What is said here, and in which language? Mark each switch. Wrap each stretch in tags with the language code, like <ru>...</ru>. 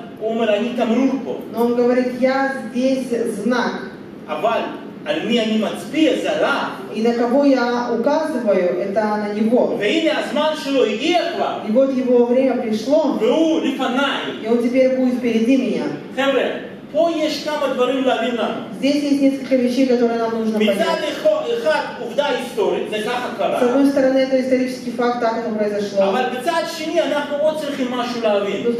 <ru>Но он говорит, я здесь знак.</ru> <he>על מי אני מצביע זה עליו.</he> <ru>И на кого я указываю, это на него.</ru> <he>והנה הזמן שלו הגיע כבר.</he> <ru>И вот его время пришло.</ru> <he>והוא לפניי.</he> <ru>И он теперь будет впереди меня.</ru> <he>חבר'ה, פה יש כמה דברים להבין לנו.</he> <ru>Здесь есть несколько вещей, которые нам нужно понять.</ru> <he>מצד אחד, עובדה היסטורית, זה ככה קרה.</he> <ru>С одной стороны, это исторический факт, так это произошло.</ru> <he>אבל מצד שני, אנחנו עוד צריכים משהו להבין.</he>